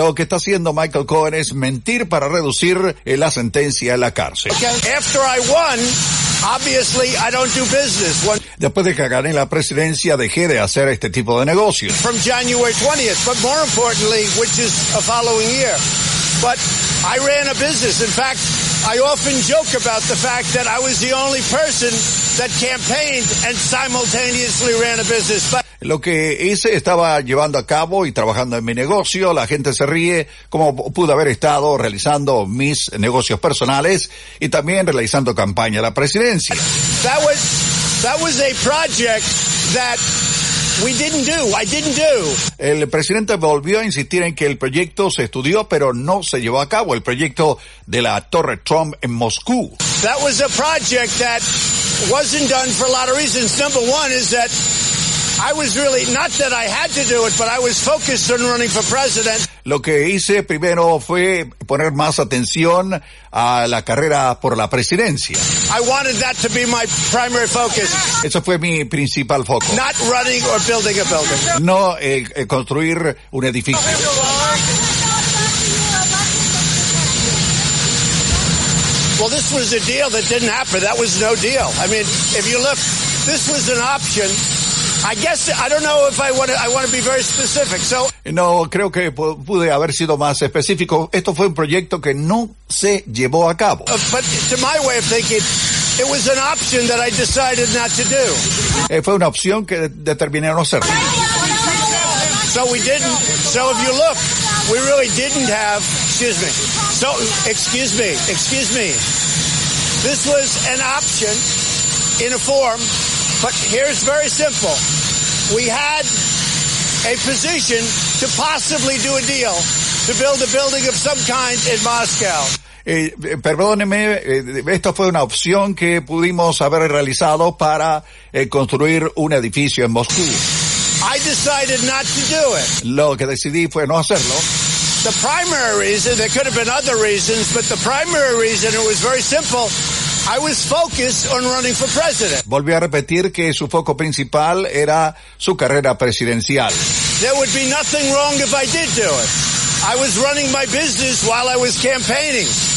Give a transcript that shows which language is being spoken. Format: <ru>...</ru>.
<es>Lo que está haciendo Michael Cohen es mentir para reducir la sentencia a la cárcel.</es> <en>Okay. After I won, obviously I don't do business.</en> <es>Después de que gané la presidencia, dejé de hacer este tipo de negocios.</es> <en>From January 20th, but more importantly, which is a following year. But I ran a business. In fact, I often joke about the fact that I was the only person that campaigned and simultaneously ran a business. But</en> <es>lo que hice, estaba llevando a cabo y trabajando en mi negocio. La gente se ríe como pude haber estado realizando mis negocios personales y también realizando campaña a la presidencia.</es> <en>That was a project that we didn't do. I didn't do.</en> <es>El presidente volvió a insistir en que el proyecto se estudió, pero no se llevó a cabo, el proyecto de la Torre Trump en Moscú.</es> <en>That was a project that wasn't done for a lot of reasons. Number one is that I was really, not that I had to do it, but I was focused on running for president.</en> <es>Lo que hice primero fue poner más atención a la carrera por la presidencia.</es> <en>I wanted that to be my primary focus.</en> <es>Eso fue mi principal foco.</es> <en>Not running or building a building.</en> <es>No construir un edificio.</es> <en>Well, this was a deal that didn't happen. That was no deal. I mean, if you look, this was an option. I guess, I don't know if I want to be very specific, so.</en> <es>No, creo que pude haber sido más específico. Esto fue un proyecto que no se llevó a cabo.</es> <en>But to my way of thinking, it was an option that I decided not to do.</en> <es>Fue una opción que determiné no hacer.</es> <en>So we didn't, so if you look, we really didn't have, excuse me. This was an option in a form. But here's very simple. We had a position to possibly do a deal to build a building of some kind in Moscow.</en> <es>Perdóneme, esto fue una opción que pudimos haber realizado para construir un edificio en Moscú.</es> <en>I decided not to do it.</en> <es>Lo que decidí fue no hacerlo.</es> <en>The primary reason, there could have been other reasons, but the primary reason, it was very simple. I was focused on running for president.</en> <es>Volví a repetir que su foco principal era su carrera presidencial.</es> <en>There would be nothing wrong if I did do it. I was running my business while I was campaigning.</en>